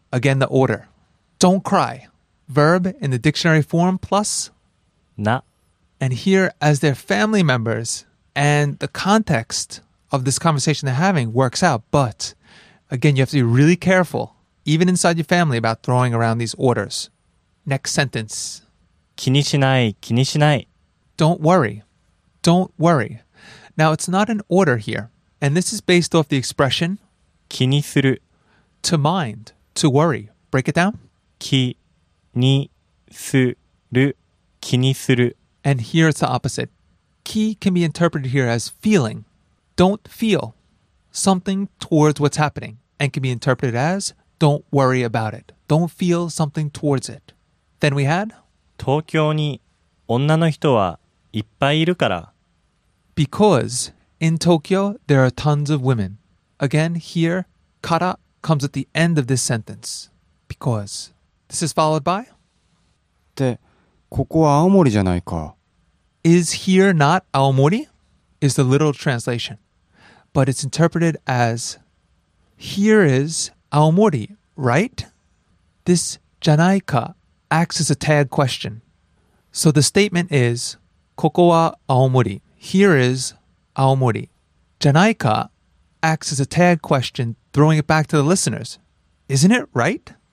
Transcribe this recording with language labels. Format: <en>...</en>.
<en>Again, the order. Don't cry. Verb in the dictionary form plus</en> <ja>な。</ja> <en>And here, as their family members and the context of this conversation they're having works out. But again, you have to be really careful, even inside your family, about throwing around these orders. Next sentence.</en> <ja>気にしない、気にしない。</ja> <en>Don't worry. Don't worry. Now, it's not an order here. And this is based off the expression</en> <ja>気にする。</ja> <en>To mind, to worry. Break it down.</en> <ja>気にする、気にする。</ja> <en>And here it's the opposite. 気 can be interpreted here as feeling. Don't feel something towards what's happening. And can be interpreted as don't worry about it. Don't feel something towards it. Then we had...</en> <ja>東京に女の人はいっぱいいるから。</ja> <en>Because in Tokyo, there are tons of women. Again, here, から comes at the end of this sentence. Because. This is followed by?</en> <ja>で、ここは青森じゃないか。</ja> <en>Is here not Aomori? Is the literal translation. But it's interpreted as, here is Aomori, right? This じゃないか。Acts as a tag question. So the statement is, ここは Aomori. Here is Aomori. じゃないか acts as a tag question, throwing it back to the listeners. Isn't it right?</en>